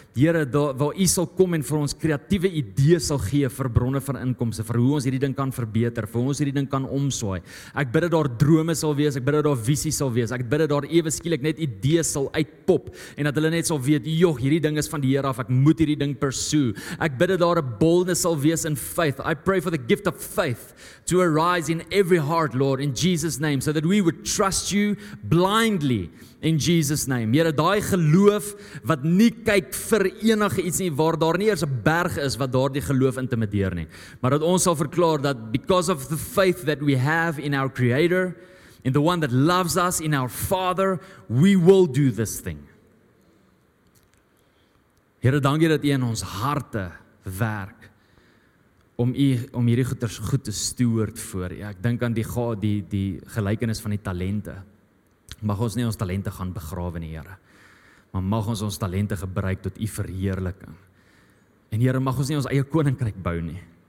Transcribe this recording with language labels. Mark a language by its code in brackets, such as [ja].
[af] Here, waar U sal kom en vir ons kreatiewe idees sal gee vir bronne van inkomste, vir hoe ons hierdie ding kan verbeter, vir hoe ons hierdie ding kan omswaai. Ek bid dat daar drome sal wees, ek bid dat daar visie sal wees, ek bid dat daar ewe skielik net idees sal uitpop en dat hulle net sal weet, joh, hierdie ding is van die Here af, ek moet hierdie ding pursue. Ek bid dat daar 'n boldness sal wees [en] in faith. I pray for the gift of faith to arise in every heart, Lord, in Jesus' name, so that we would trust you blindly in Jesus' name. [af] Here, daai geloof wat nie kyk vir enige iets nie, waar daar nie eers 'n berg is wat daar die geloof intimideer nie. Maar dat ons sal verklaar dat [en] because of the faith that we have in our Creator, in the one that loves us, in our Father, we will do this thing. [af] Here, dankie dat U in ons harte werk. Om hierdie goeders goed te stuur voor. Ja, ek dink aan die gelykenis van die talente. Mag ons nie ons talente gaan begrawe nie, Here. Maar mag ons ons talente gebruik tot U verheerliking. En Here, mag ons nie ons eie koninkryk bou nie.